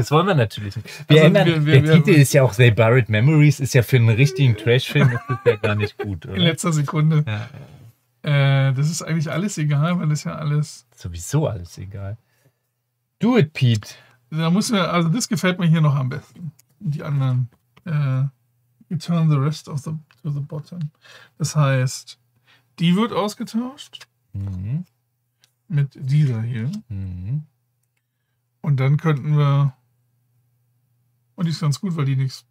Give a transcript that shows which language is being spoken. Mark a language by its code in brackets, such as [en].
[de] Das wollen wir natürlich nicht. Der Titel ist ja auch They Buried Memories. Ist ja für einen richtigen Trashfilm das ist ja gar nicht gut, oder? In letzter Sekunde. Ja. Das ist eigentlich alles egal, weil das ja alles... Sowieso alles egal. [en] Do it, Pete. [de] Da müssen wir... Also das gefällt mir hier noch am besten. Die anderen... [en] You turn the rest of the to the bottom. [de] Das heißt, die wird ausgetauscht mit dieser hier. Und dann könnten wir. Und die ist ganz gut, weil die nichts